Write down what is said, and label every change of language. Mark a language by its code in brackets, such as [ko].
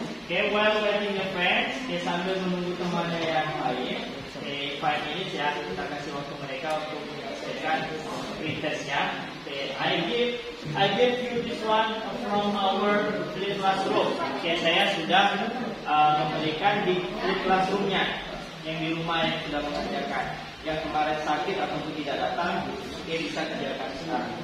[en] Okay, while waiting your friends, [id] okay, sambil menunggu temannya yang lain, 5 minutes ya, kita kasih waktu mereka untuk menyelesaikan pretestnya. [en] Okay, I give you this one from our flip classroom. [id] Okay, saya sudah memberikan di flip classroomnya yang di rumah yang sudah mengajarkan. Yang kemarin sakit atau tidak datang, okay, bisa kerjakan sekarang.